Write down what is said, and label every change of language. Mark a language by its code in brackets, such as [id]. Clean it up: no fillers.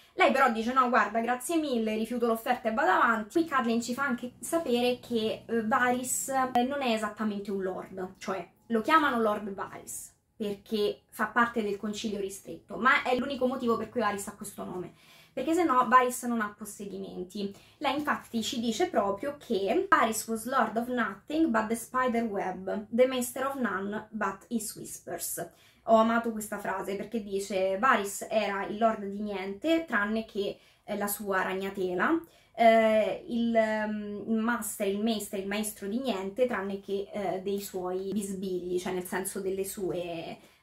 [it] Lei però dice, no, guarda, grazie mille, rifiuto l'offerta e vado avanti. Qui Catelyn ci fa anche sapere che Varys non è esattamente un lord, cioè, lo chiamano Lord Varys perché fa parte del concilio ristretto, ma è l'unico motivo per cui Varys ha questo nome. Perché se no Varys non ha possedimenti. Lei infatti ci dice proprio che [en] Varys was lord of nothing but the spider web, the master of none but his whispers. [it] Ho amato questa frase perché dice Varys era il lord di niente tranne che la sua ragnatela, il maestro di niente tranne che dei suoi bisbigli, cioè nel senso delle sue...